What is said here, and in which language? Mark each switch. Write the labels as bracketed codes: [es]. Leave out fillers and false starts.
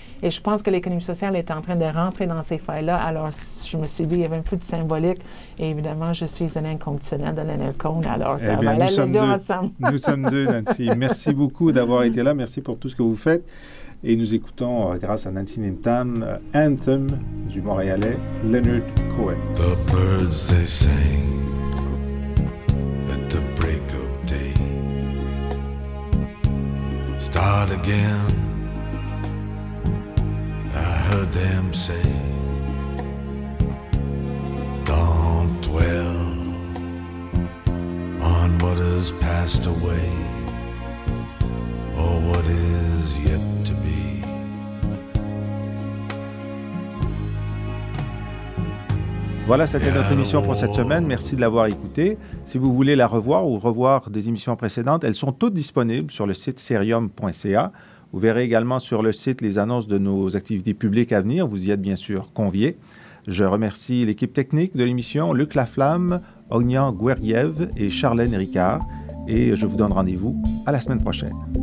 [fr] Et je pense que l'économie sociale est en train de rentrer dans ces failles-là. Alors, je me suis dit, il y avait un peu de symbolique. Et évidemment, je suis un inconditionnel de Leonard Cohen. Alors, ça va aller les deux ensemble. Nous sommes deux, Nancy. Merci beaucoup d'avoir été là. Merci pour tout ce que vous faites. Et nous écoutons, grâce à Nancy Nintam, Anthem du Montréalais, Leonard Cohen. [en] The birds, they sing at the break of day. Start again. I heard them say, don't dwell on what has passed away or what is yet to be. [fr] Voilà, c'était notre émission pour cette semaine. Merci de l'avoir écoutée. Si vous voulez la revoir ou revoir des émissions précédentes, elles sont toutes disponibles sur le site cerium.ca. Vous verrez également sur le site les annonces de nos activités publiques à venir. Vous y êtes bien sûr conviés. Je remercie l'équipe technique de l'émission, Luc Laflamme, Ognan Gouerriev et Charlène Ricard. Et je vous donne rendez-vous à la semaine prochaine.